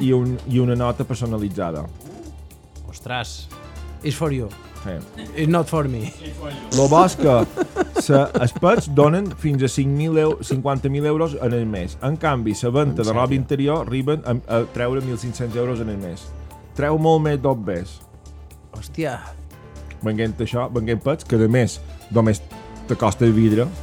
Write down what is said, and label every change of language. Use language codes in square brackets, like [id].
[ca] I una nota personalitzada. [en] Ostres. It's for you. Sí. It's not for me. [ca] Lo bo és que els pets donen fins a 50.000 euros en el mes. En canvi, la venda de roba interior arriben a treure 1.500 euros en el mes. Treu molt més dos bes. Hòstia. Venguent això, venguent pets, que a més, només te costa el vidre.